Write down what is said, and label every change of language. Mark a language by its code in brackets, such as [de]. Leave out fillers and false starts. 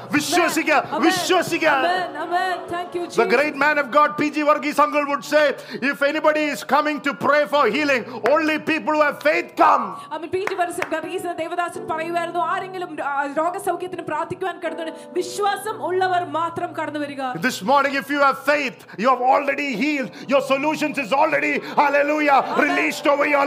[en] The great man of God P.G. Varghese Angal would say, if anybody is coming to pray for healing, only people who have faith come. [ml] അമ്മ PG. Varghese Devadasan പറയുവായിരുന്നു, ആരെങ്കിലും രോഗസൗഖ്യത്തിന് പ്രാർത്ഥിക്കുവാൻ കടന്നു വിശ്വാസം ഉള്ളവർ മാത്രം കടന്നു വരിക. [en] This morning if you have faith, you have already healed, your solutions is already, hallelujah, released over your